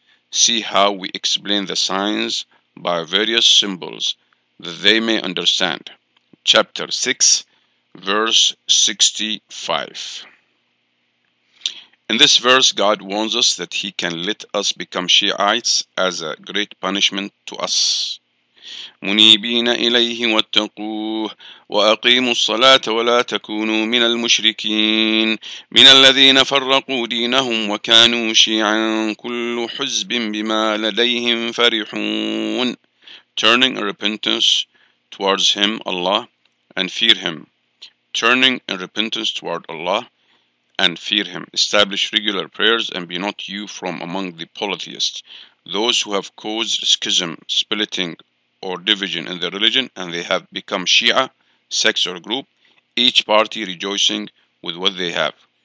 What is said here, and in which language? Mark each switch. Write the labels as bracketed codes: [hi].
[en] See how we explain the signs by various symbols, that they may understand. Chapter 6, verse 65. In this verse, God warns us that He can let us become Shiites as a great punishment to us. [ar] منيبين إليه واتقوه وأقيموا الصلاة ولا تكونوا من المشركين من الذين فرقوا دينهم وكانوا شيعا كل حزب بما لديهم فرحون [en] Turning in repentance towards Him, Allah, and fear Him. Turning in repentance toward Allah and fear Him. Establish regular prayers and be not you from among the polytheists, those who have caused schism, splitting, or division in their religion, and they have become Shia, sect or group, each party rejoicing with what they have.